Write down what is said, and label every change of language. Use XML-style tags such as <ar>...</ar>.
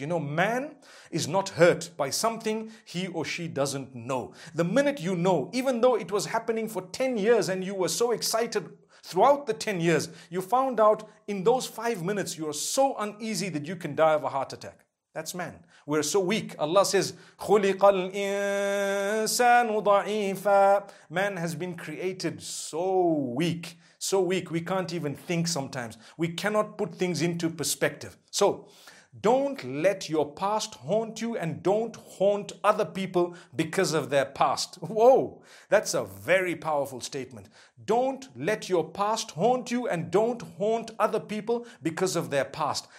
<en>You know, man is not hurt by something he or she doesn't know. The minute you know, even though it was happening for 10 years and you were so excited throughout the 10 years, you found out in those 5 minutes, you are so uneasy that you can die of a heart attack. That's man. We're so weak. Allah says,</en> <ar>خُلِقَ الْإِنسَانُ ضَعِيفًا.</ar> <en>Man has been created so weak. So weak, we can't even think sometimes. We cannot put things into perspective. So, don't let your past haunt you and don't haunt other people because of their past. Whoa, that's a very powerful statement. Don't let your past haunt you and don't haunt other people because of their past.</en>